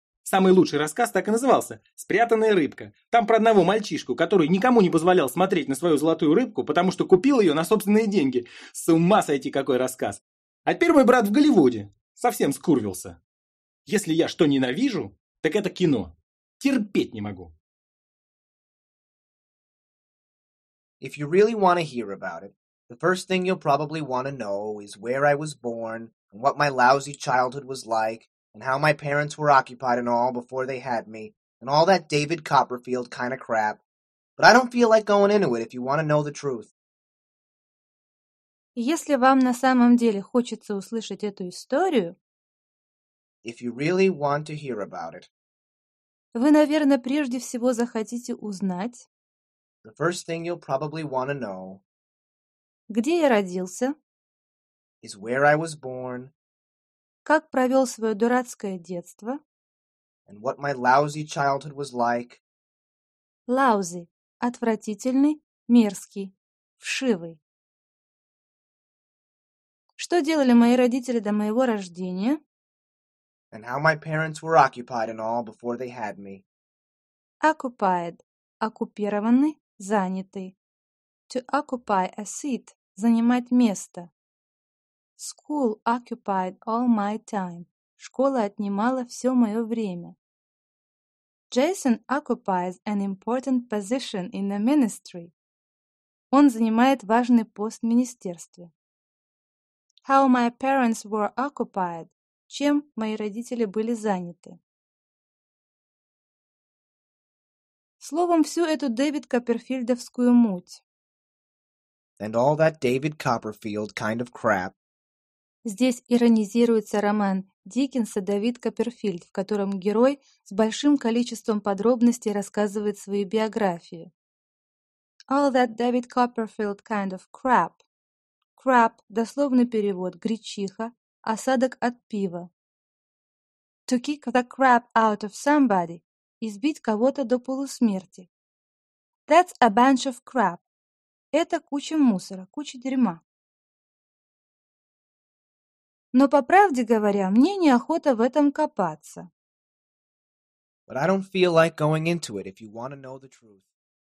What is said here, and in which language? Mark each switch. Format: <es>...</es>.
<ru>Самый лучший рассказ так и назывался «Спрятанная рыбка». Там про одного мальчишку, который никому не позволял смотреть на свою золотую рыбку, потому что купил ее на собственные деньги. С ума сойти, какой рассказ. А теперь мой брат в Голливуде. Совсем скурвился. Если я что ненавижу, так это кино. Терпеть не могу.</ru> <en>If you really want to hear about it, the first thing you'll probably want to know is where I was born and what my lousy childhood was like. And how my parents were occupied and all before they had me, and all that David Copperfield kind of crap. But I don't feel like going into it if you want to know the truth.</en> <ru>Если вам на самом деле хочется услышать эту историю,</ru> <en>if you really want to hear about it,</en> <ru>вы, наверное, прежде всего захотите узнать,</ru> <en>the first thing you'll probably want to know,</en> <ru>где я родился,</ru> <en>is where I was born,</en> <ru>как провел свое дурацкое детство.</ru> <en>And what my lousy childhood was like.</en> <ru>Lousy – отвратительный, мерзкий, вшивый. Что делали мои родители до моего рождения?</ru> <en>And how my parents were occupied and all before they had me.</en> <ru>Occupied – оккупированный, занятый.</ru> <en>To occupy a seat –</en> <ru>занимать место.</ru> <en>School occupied all my time.</en> <ru>Школа отнимала все мое время.</ru> <en>Jason occupies an important position in the ministry.</en> <ru>Он занимает важный пост в министерстве.</ru> <en>How my parents were occupied.</en> <ru>Чем мои родители были заняты? Словом, всю эту Дэвид Копперфильдовскую муть.</ru> <en>And all that David Copperfield kind of crap.</en> <ru>Здесь иронизируется роман Диккенса «Дэвид Копперфильд», в котором герой с большим количеством подробностей рассказывает свою биографию.</ru> <en>All that David Copperfield kind of crap.</en> <ru>Crap – дословный перевод, гречиха, осадок от пива.</ru> <en>To kick the crap out of somebody –</en> <ru>избить кого-то до полусмерти.</ru> <en>That's a bunch of crap.</en> <ru>Это куча мусора, куча дерьма. Но, по правде говоря, мне неохота в этом копаться.</ru> <en>But I don't feel like going into it if you want to know the truth.</en>